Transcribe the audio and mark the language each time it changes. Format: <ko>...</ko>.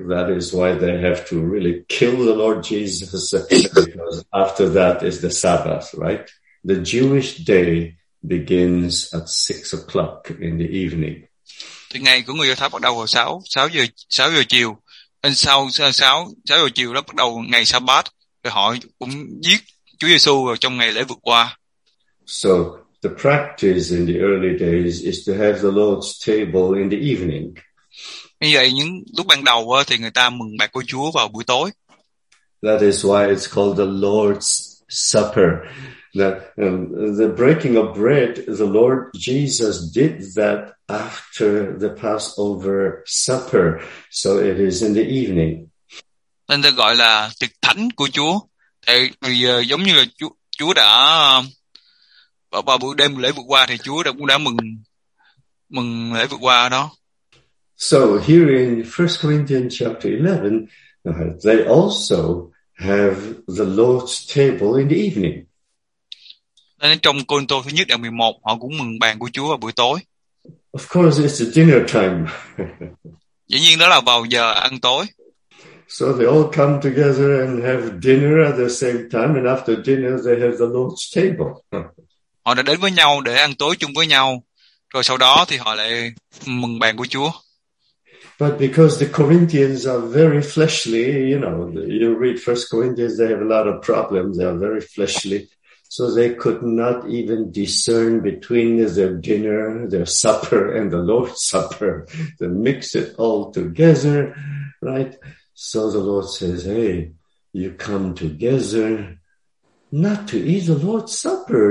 <en>That is why they have to really kill the Lord Jesus, because after that is the Sabbath, right? The Jewish day begins at 6 o'clock in the evening.</en> <vi>Thì ngày của người Do Thái bắt đầu vào 6 giờ chiều. Nên sau 6 giờ chiều đó bắt đầu ngày Sa-bát, rồi họ cũng giết Chúa Giê-xu trong ngày lễ vượt qua.</vi> <en>So the practice in the early days is to have the Lord's table in the evening.</en> <vi>Như vậy những lúc ban đầu thì người ta mừng bạch của Chúa vào buổi tối.</vi> <en>That is why it's called the Lord's Supper. That the breaking of bread, the Lord Jesus did that after the Passover supper, so it is in the evening.</en> <vi>Nên ta gọi là tiệc thánh của Chúa. Thì giống như là Chúa đã vào buổi đêm lễ vượt qua, thì Chúa cũng đã mừng lễ vượt qua đó.</vi> <en>So here in 1 Corinthians chapter 11, they also have the Lord's table in the evening.</en> <vi>Nên trong Côrintô thứ nhất đoạn 11 họ cũng mừng bàn của Chúa vào buổi tối.</vi> <en>Of course it's a dinner time.</en> <vi>Dĩ nhiên đó là vào giờ ăn tối.</vi> <en>So they all come together and have dinner at the same time, and after dinner they have the Lord's table.</en> <vi>Họ đã đến với nhau để ăn tối chung với nhau, rồi sau đó thì họ lại mừng bàn của Chúa.</vi> <en>But because the Corinthians are very fleshly, you know, you read 1 Corinthians, they have a lot of problems, they are very fleshly. So they could not even discern between their dinner, their supper, and the Lord's Supper. They mix it all together, right? So the Lord says, hey, you come together not to eat the Lord's Supper.</en>